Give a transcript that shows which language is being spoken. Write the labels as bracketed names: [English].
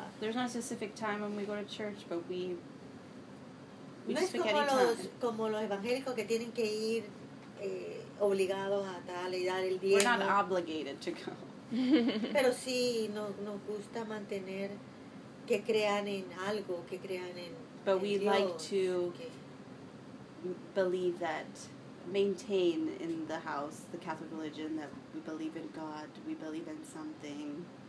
[English] There's not a specific time when we go to church, but we [Spanish] no es como los evangélicos que tienen que ir obligados a tal y dar el diezmo. [English] We're not obligated to go. [Spanish] Pero sí, nos gusta mantener que crean en algo, que crean en Dios. [English] But we like to believe that, maintain in the house, the Catholic religion, that we believe in God, we believe in something.